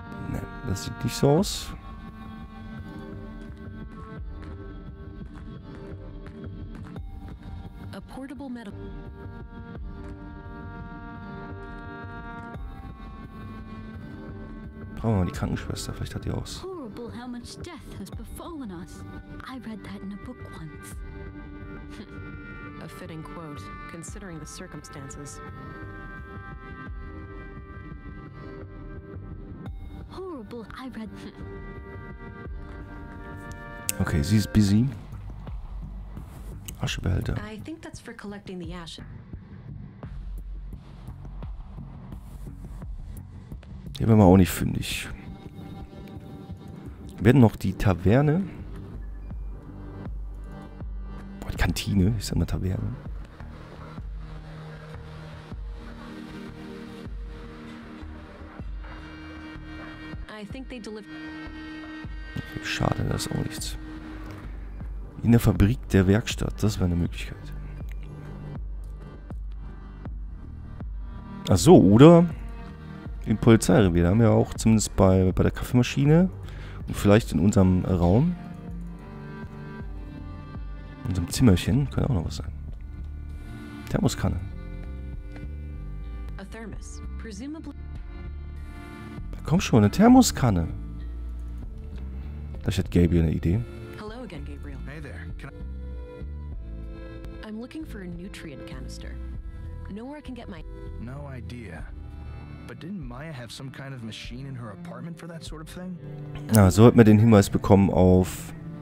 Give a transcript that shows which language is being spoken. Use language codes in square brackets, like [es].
[de] Ne, das sieht nicht so aus. [en] A portable medical. [de] Brauchen wir mal die Krankenschwester, vielleicht hat die aus. [en] Horrible how much death has befallen us. I read that in a book once. A fitting quote, considering the circumstances. Horrible, I read. [de] Okay, sie ist busy. Aschebehälter. [en] I think that's for collecting the ash. [de] Hier werden wir auch nicht fündig. Wir hätten noch die Taverne. Kantine, ich sag mal Taverne. [en] I think they deliver. [de] Okay, schade, das ist auch nichts. In der Fabrik der Werkstatt, das wäre eine Möglichkeit. Ach so, oder im Polizeirevier, da haben wir auch zumindest bei der Kaffeemaschine und vielleicht in unserem Raum. In unserem Zimmerchen könnte auch noch was sein. Thermoskanne. [en] A thermos. Presumably. [de] Komm schon, eine Thermoskanne. Vielleicht hat Gabriel eine Idee. [en] Hello again, Gabriel. Hey there. Can I... I'm looking for a nutrient canister. Nowhere I can get my. No idea. But didn't Maya have some kind of machine in her apartment for that sort of thing? [de] Na, so hat man den Hinweis bekommen auf.